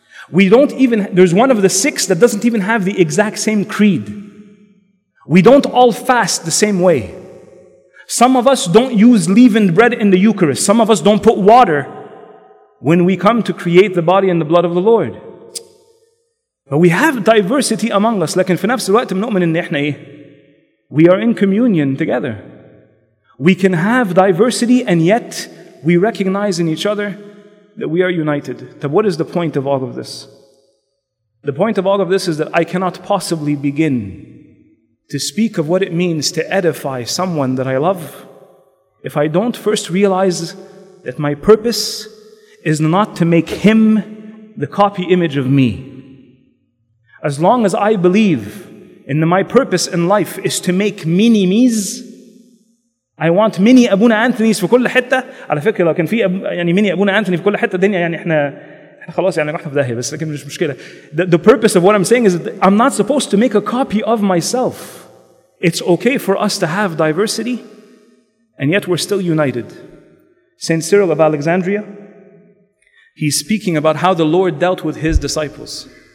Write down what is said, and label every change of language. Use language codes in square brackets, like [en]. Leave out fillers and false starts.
[en] We don't even, there's one of the six that doesn't even have the exact same creed. We don't all fast the same way. Some of us don't use leavened bread in the Eucharist. Some of us don't put water when we come to create the body and the blood of the Lord. But we have diversity among us. [ar] لكن في نفس الوقت بنؤمن إن إحنا إيه؟ [en] We are in communion together. We can have diversity and yet we recognize in each other that we are united. But what is the point of all of this? The point of all of this is that I cannot possibly begin to speak of what it means to edify someone that I love if I don't first realize that my purpose is not to make him the copy image of me. As long as I believe in my purpose in life is to make mini me's, I want mini Abuna Anthony's for [ar] كل حتة. على فكرة لو كان في يعني mini Abuna Anthony في كل حتة الدنيا يعني إحنا خلاص يعني رحنا في داهية بس لكن مش مشكلة. [en] The purpose of what I'm saying is that I'm not supposed to make a copy of myself. It's okay for us to have diversity, and yet we're still united. Saint Cyril of Alexandria, he's speaking about how the Lord dealt with his disciples.